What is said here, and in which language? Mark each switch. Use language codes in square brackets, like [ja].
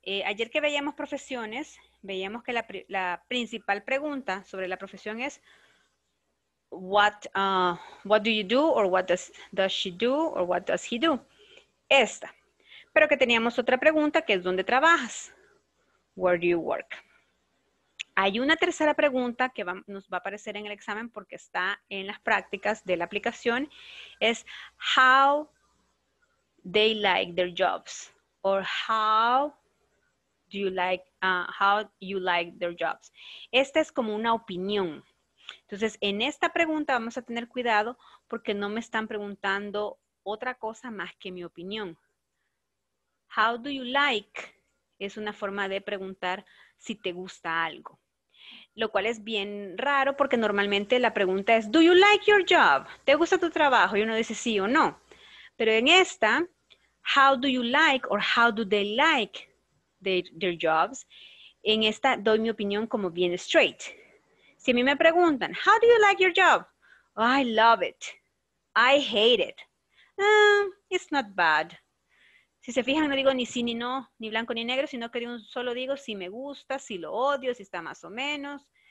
[es] Ayer que veíamos profesiones, veíamos que la principal pregunta sobre la profesión es what do you do, or what does she do, or what does he do? Esta. Pero que teníamos otra pregunta, que es ¿dónde trabajas? Where do you work? Hay una tercera pregunta que nos va a aparecer en el examen porque está en las prácticas de la aplicación. [en] Es how they like their jobs. Or how do you like how you like their jobs? [es] Esta es como una opinión. Entonces, en esta pregunta vamos a tener cuidado porque no me están preguntando otra cosa más que mi opinión. How do you like? Es una forma de preguntar si te gusta algo. Lo cual es bien raro porque normalmente la pregunta es do you like your job? ¿Te gusta tu trabajo? Y uno dice sí o no. [en] Pero en esta, how do you like or how do they like their jobs? [es] En esta doy mi opinión como bien straight. [en] Si a mí me preguntan, how do you like your job? Oh, I love it. I hate it. It's not bad. [es] Si se fijan, no digo ni sí ni no, ni blanco ni negro, sino que de un solo digo si me gusta, si lo odio, si está más o menos.